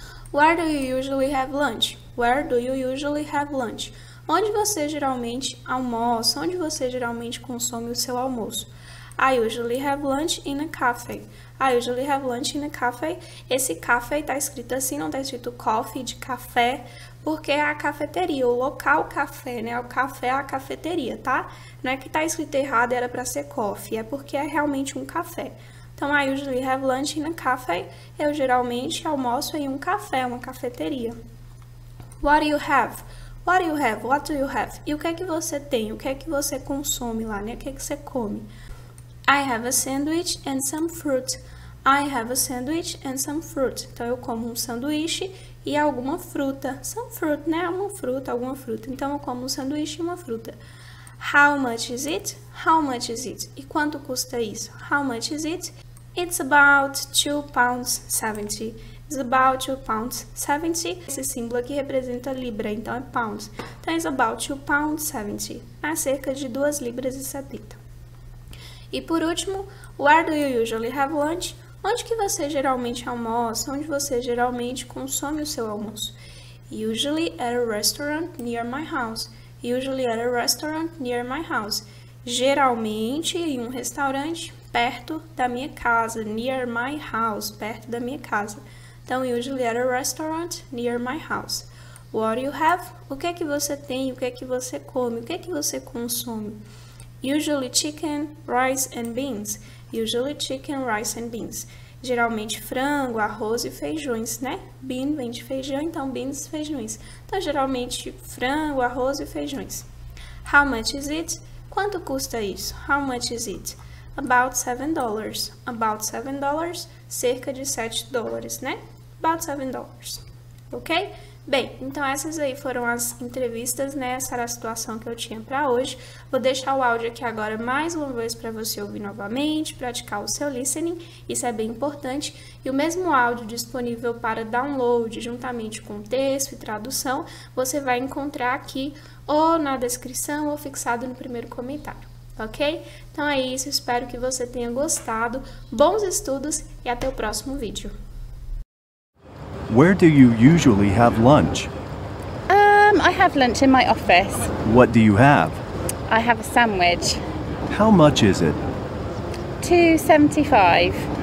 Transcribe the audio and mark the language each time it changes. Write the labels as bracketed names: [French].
[English] Where do you usually have lunch? Where do you usually have lunch? [Portuguese] Onde você geralmente almoça? Onde você geralmente consome o seu almoço? [English] I usually have lunch in a cafe. I usually have lunch in a cafe. [Portuguese] Esse café está escrito assim, não está escrito coffee, de café, porque é a cafeteria, o local café, né? O café é a cafeteria, tá? Não é que está escrito errado e era para ser coffee, é porque é realmente um café. [English] Então, I usually have lunch in a cafe. [Portuguese] Eu geralmente almoço em um café, uma cafeteria. [English] What do you have? What do you have? What do you have? [Portuguese] E o que é que você tem? O que é que você consome lá, né? O que é que você come? [English] I have a sandwich and some fruit. I have a sandwich and some fruit. [Portuguese] Então, eu como um sanduíche e alguma fruta. [English] Some fruit, [Portuguese] né? Uma fruta, alguma fruta. Então, eu como um sanduíche e uma fruta. [English] How much is it? How much is it? [Portuguese] E quanto custa isso? [English] How much is it? It's about £2.70. It's about £2.70. [Portuguese] Esse símbolo aqui representa libra, então é pounds. Então, [English] it's about £2.70. [Portuguese] É cerca de 2 libras e 70. E por último, [English] where do you usually have lunch? [Portuguese] Onde que você geralmente almoça? Onde você geralmente consome o seu almoço? [English] Usually at a restaurant near my house. Usually at a restaurant near my house. [Portuguese] Geralmente em um restaurante perto da minha casa. [English] Near my house, [Portuguese] perto da minha casa. [English] Então, usually at a restaurant near my house. What do you have? [Portuguese] O que é que você tem? O que é que você come? O que é que você consome? [English] Usually chicken, rice and beans. Usually chicken, rice and beans. [Portuguese] Geralmente frango, arroz e feijões, né? Bean vem de feijão, então beans, feijões. Então, geralmente frango, arroz e feijões. [English] How much is it? [Portuguese] Quanto custa isso? [English] How much is it? About $7. About $7, [Portuguese] cerca de $7, né? [English] About $7. Ok? [Portuguese] Bem, então essas aí foram as entrevistas, né? Essa era a situação que eu tinha para hoje. Vou deixar o áudio aqui agora mais uma vez para você ouvir novamente, praticar o seu listening, isso é bem importante. E o mesmo áudio disponível para download juntamente com texto e tradução, você vai encontrar aqui ou na descrição ou fixado no primeiro comentário, ok? Então é isso, espero que você tenha gostado. Bons estudos e até o próximo vídeo. [English] Where do you usually have lunch? I have lunch in my office. What do you have? I have a sandwich. How much is it? $2.75.